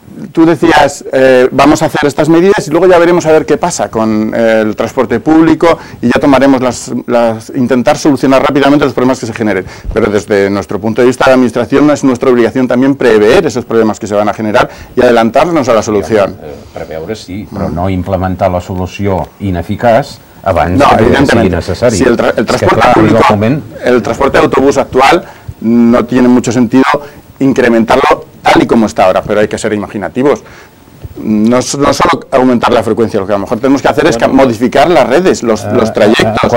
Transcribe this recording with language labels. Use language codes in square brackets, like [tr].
[es] tú decías, vamos a hacer estas medidas y luego ya veremos a ver qué pasa con el transporte público y ya tomaremos intentar solucionar rápidamente los problemas que se generen. Pero desde nuestro punto de vista de administración, es nuestra obligación también prever esos problemas que se van a generar y adelantarnos a la solución. [ca] Preveure sí, però no implementar la solució ineficaç abans que sigui necessari. [es] Si el transporte público, el transporte de autobús actual no tiene mucho sentido incrementarlo tal y como está ahora, pero hay que ser imaginativos. No solo aumentar la frecuencia, lo que a lo mejor tenemos que hacer es modificar las redes, los trayectos,